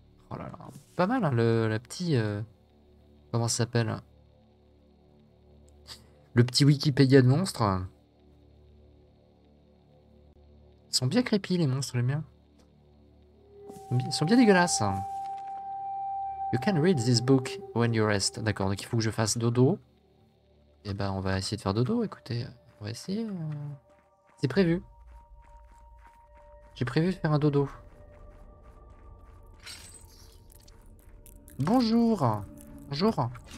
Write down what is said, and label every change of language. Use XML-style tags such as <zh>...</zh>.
<fr>Oh là là, pas mal hein, la petite, comment ça s'appelle? Le petit Wikipédia de monstres. Ils sont bien creepy les monstres les miens. Ils sont bien dégueulasses.</fr> <en>You can read this book when you rest.</en> <fr>D'accord, donc il faut que je fasse dodo. Eh ben on va essayer de faire dodo, écoutez. On va essayer. C'est prévu. J'ai prévu de faire un dodo. Bonjour. Bonjour.</fr>